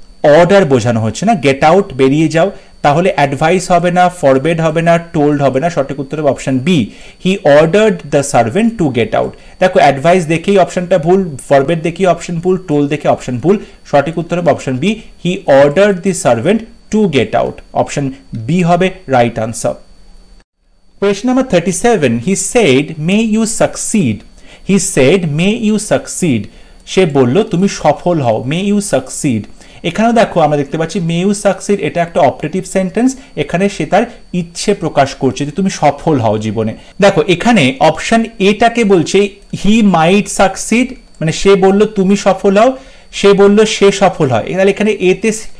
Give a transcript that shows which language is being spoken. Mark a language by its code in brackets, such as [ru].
[bn] Order বোঝানো হচ্ছে না গেট আউট বেরিয়ে যাও তাহলে অ্যাডভাইস হবে না ফরবেড হবে না টোল্ড হবে না সঠিক উত্তর হবে option B [en] he ordered the servant to get out [bn] দেখো অ্যাডভাইস দেখেই অপশানটা ভুল ফরবেড দেখেই অপশান ভুল টোল দেখে অপশান ভুল সঠিক উত্তর হবে option B he ordered the servant to get out option B হবে right answer [en] Question number 37, he said, may you succeed. He said, may you succeed. [bn] She bollo, tumi shofol hao, [en] may you succeed. [bn] এখানেও দেখো আমরা দেখতে পাচ্ছি [en] may you succeed [bn] এটা একটা operative sentence এখানে সে তার ইচ্ছে প্রকাশ করছে যে তুমি সফল হও জীবনে দেখো এখানে অপশন এটাকে বলছে হি মাইট সাকসিড মানে সে বলল তুমি সফল হও সে বলল সে সফল হয় তাহলে এখানে এতে